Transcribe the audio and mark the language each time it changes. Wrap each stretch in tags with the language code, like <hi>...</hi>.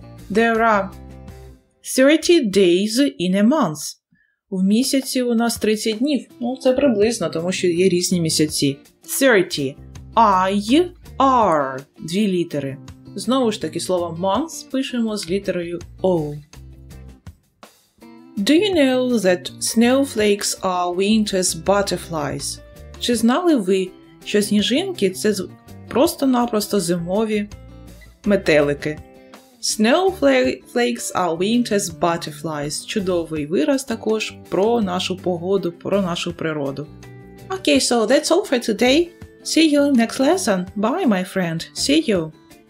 <en>There are 30 days in a month.</en> <uk>В місяці у нас 30 днів. Ну, це приблизно, тому що є різні місяці. 30. I, R. Дві літери. Знову ж таки, слово month пишемо з літерою O.</uk> <en>Do you know that snowflakes are winter's butterflies?</en> <uk>Чи знали ви, що сніжинки – це просто-напросто зимові метелики.</uk> <en>Snowflakes are winter's butterflies.</en> <uk>Чудовий вираз також про нашу погоду, про нашу природу.</uk> <en>Okay, so that's all for today. See you next lesson. Bye, my friend. See you.</en>